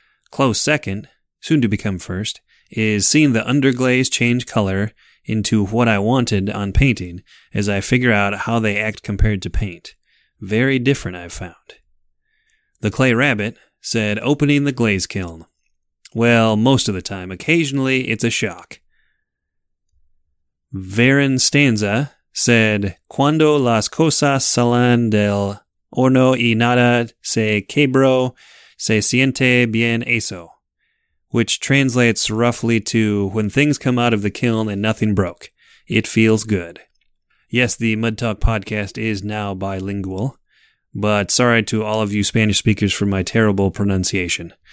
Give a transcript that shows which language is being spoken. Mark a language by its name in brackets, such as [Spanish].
[English] Close second, soon to become first, is seeing the underglaze change color into what I wanted on painting as I figure out how they act compared to paint. Very different, I've found. The Clay Rabbit said, opening the glaze kiln. Well, most of the time. Occasionally, it's a shock. [Spanish] Varen Stanza [English] said, [Spanish] cuando las cosas salen del horno y nada se quebró, se siente bien eso. [English] Which translates roughly to, when things come out of the kiln and nothing broke, it feels good. Yes, the Mud Talk podcast is now bilingual, but sorry to all of you Spanish speakers for my terrible pronunciation.